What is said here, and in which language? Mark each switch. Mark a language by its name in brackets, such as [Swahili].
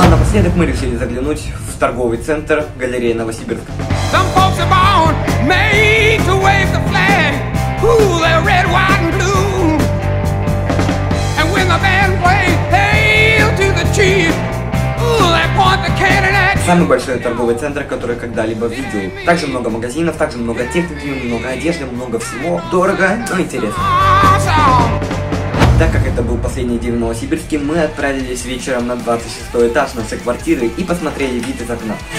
[Russian] Напоследок мы решили заглянуть в торговый центр галереи Новосибирск. [English] Some folks are born made to wave the flag. Ooh, they're red, white, and blue. And when the band plays Hail to the Chief, ooh, they point the cannon at you. [Russian] Самый большой торговый центр, который когда-либо видел. Также много магазинов, также много техники, много одежды, много всего. Дорого, но интересно. [English] Awesome. [Russian] Так как это был последний день в Новосибирске, мы отправились вечером на 26 этаж нашей квартиры и посмотрели вид из окна.